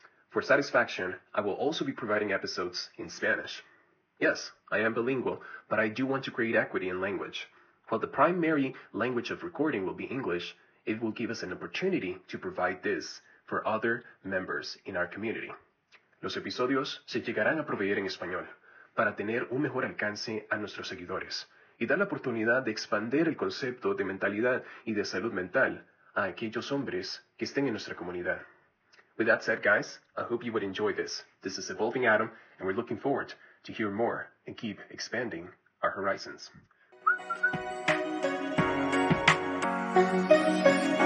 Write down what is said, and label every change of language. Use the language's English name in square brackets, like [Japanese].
[English] For satisfaction, I will also be providing episodes in Spanish. Yes, I am bilingual, but I do want to create equity in language. While the primary language of recording will be English, it will give us an opportunity to provide this for other members in our community. [Spanish] Los episodios se llegarán a proveer en español para tener un mejor alcance a nuestros seguidores y dar la oportunidad de expandir el concepto de mentalidad y de salud mental a aquellos hombres que estén en nuestra comunidad. [English] With that said, guys, I hope you would enjoy this. This is Evolving Adam, and we're looking forward to hear more and keep expanding our horizons.